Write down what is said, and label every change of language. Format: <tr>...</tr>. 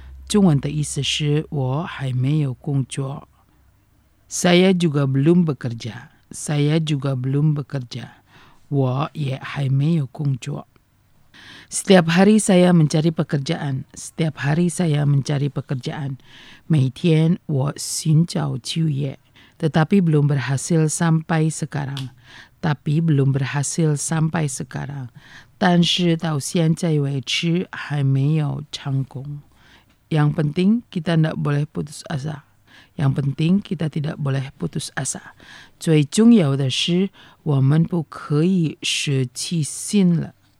<zh>中文的意思是我还没有工作。</zh> <id>Saya juga belum bekerja. Saya juga belum bekerja.</id> <zh>我也还没有工作。</zh> <id>Setiap hari saya mencari pekerjaan. Setiap hari saya mencari pekerjaan.</id> <zh>每天我寻找就业。</zh> <id>Tetapi belum berhasil sampai sekarang. Tapi belum berhasil sampai sekarang.</id> <zh>但是到现在为止还没有成功。</zh> <id>Yang penting kita tidak boleh putus asa. Yang penting kita tidak boleh putus asa.</id> <zh>最重要的是我们不可以失去信了。</zh>